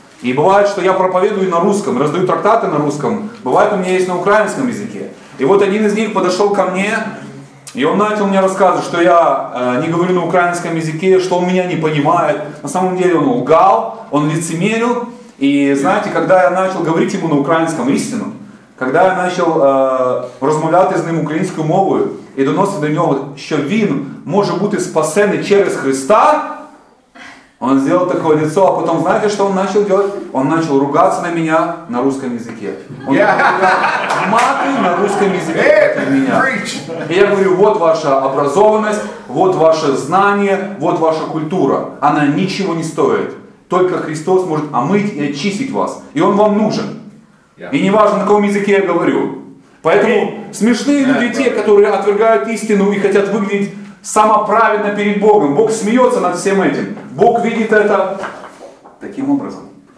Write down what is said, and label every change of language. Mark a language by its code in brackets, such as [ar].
[ru] И бывает, что я проповедую на русском, раздаю трактаты на русском, бывает, у меня есть на украинском языке. И вот один из них подошел ко мне, и он начал мне рассказывать, что я не говорю на украинском языке, что он меня не понимает. На самом деле он лгал, он лицемерил. И знаете, когда я начал [uk] говорить ему на украинском истину, когда я начал розмовляти з ним українською мовою і доносити до нього, що він може бути спасений через Христа, він зробив таке лицо, а потім знаєте, що він почав робити? Він почав ругатися на мене на російському язикі. Він почав мати на російському язикі проти мене. І я говорю, от ваша образованість, от ваше знання, от ваша культура. Вона нічого не стоїть. Тільки Христос може омити і очистити вас. І він вам потрібен. [ru] И не важно, на каком языке я говорю. Поэтому смешные люди те, которые отвергают истину и хотят выглядеть самоправедно перед Богом. Бог смеется над всем этим. Бог видит это таким образом.